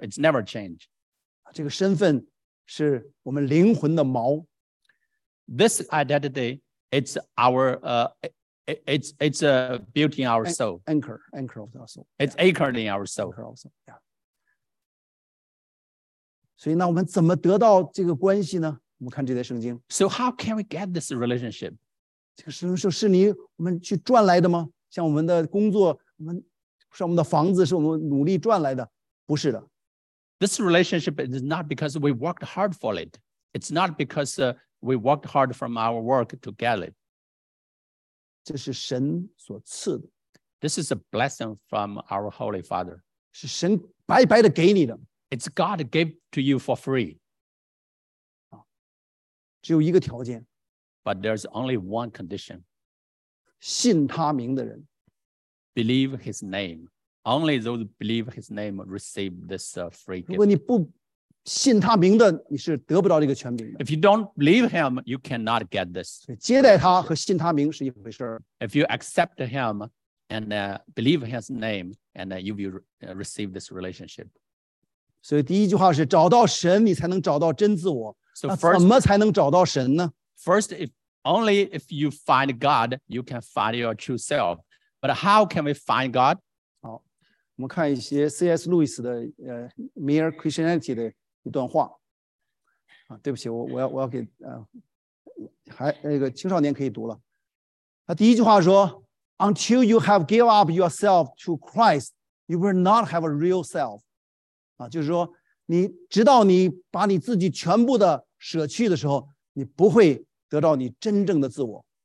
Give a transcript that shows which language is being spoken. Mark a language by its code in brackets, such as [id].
[en] It's never change. [zh] 这个身份是我们灵魂的锚。 [en] This identity, it's our It's built in our soul. Anchor of our soul. It's anchored in our soul. Anchor of our soul. Yeah. [zh] 所以那我们怎么得到这个关系呢？我们看这段圣经。 [en] So how can we get this relationship? [zh] 这个圣经说是你我们去赚来的吗？像我们的工作，我们是我们的房子，是我们努力赚来的？不是的。 [en] This relationship is not because we worked hard for it. It's not because we worked hard from our work to get it. [zh] 这是神所赐的。 [en] This is a blessing from our Holy Father. [zh] 是神白白的给你的。 [en] It's God gave to you for free. [zh] 只有一个条件。 [en] But there's only one condition. [zh] 信他名的人。 [en] Believe his name. Only those who believe his name receive this free gift. [zh] 如果你不信他名的，你是得不到这个权柄的。 [en] If you don't believe him, you cannot get this. [zh] 接待他和信他名是一回事。 [en] If you accept him and believe his name, and you will receive this relationship. [zh] 所以第一句话是找到神，你才能找到真自我。 [en] So first, [zh] 那怎么才能找到神呢？ [en] First, if only if you find God, you can find your true self. But how can we find God? [zh] 我们看一些 C.S. Lewis 的Mere Christianity 的一段话、啊、对不起 我要给、还那个青少年可以读了、啊、第一句话说 [en] Until you have given up yourself to Christ, you will not have a real self、 [zh] 啊、就是说你直到你把你自己全部的舍去的时候你不会得到你真正的自我